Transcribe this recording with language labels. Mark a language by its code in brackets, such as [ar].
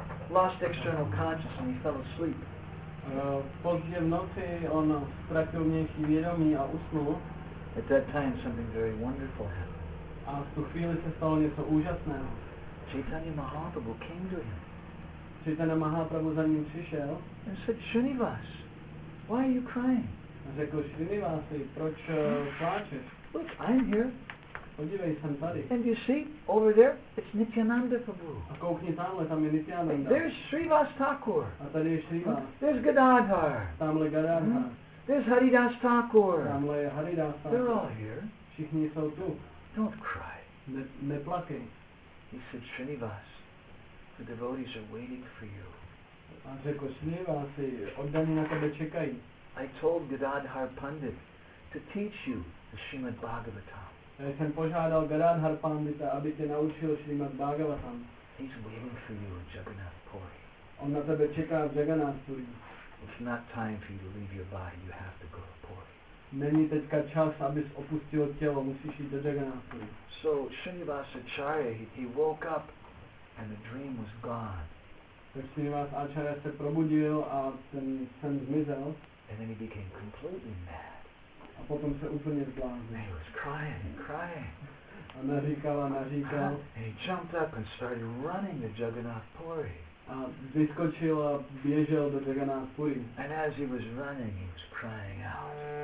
[en] lost external consciousness and he fell asleep. [cs] Pozdě v noci on ztratil nějaký vědomí a usnul. [en] At that time something very wonderful happened. [cs] A v tu chvíli se stalo něco úžasného. [en] Chaitanya Mahaprabhu came to him. [cs] Chaitanya Mahaprabhu za ním přišel. [en] And said, Srinivas, why are you crying? [cs] A řekl, Srinivasi, proč pláčeš? [en] Look, I'm here. [cs] Podívej, jsem tady. [en] And you see, over there, it's Nityananda Prabhu. [cs] A koukni tamhle, tam je Nityananda. [en] And there's Srivas Thakur. [cs] A tady je Srivas. Hmm? [en] There's Gadadhar. [cs] Tamhle Gadadhar. Hmm? [en] There's Haridas Thakur. [cs] Tamhle je Haridas Thakur. [en] They're all here. [cs] Všichni jsou tu. [en] Don't cry. [cs] Neplakej. [en] He said, Srinivas, the devotees are waiting for you. [cs] A řekl, Srinivasi, oddaní na tebe čekají. [en] I told Gadadhar Pandit to teach you the Srimad Bhagavatam. [cs] Já jsem požádal Gadadhar Pandita, aby tě naučil Srimad Bhagavatam. [en] He's waiting for you in Jagannath Puri. [cs] On na tebe čeká v Jagannath Puri. [en] It's not time for you to leave your body, you have to go to Puri. [cs] Není teďka čas, abys opustil tělo, musíš jít do Jagannath Puri. [en] So Srinivas Acharya, he woke up and the dream was gone. [cs] Tak Srinivas Acharya se probudil a ten sen zmizel. [en] And then he became completely mad. [cs] A potom se úplně zblázil. [en] He was crying and crying. [cs] A naříkal a naříkal. [en] And he jumped up and started running to Jagannath Puri. [cs] A vyskočil a běžel do Jagannath Puri. [en] And as he was running, he was crying out.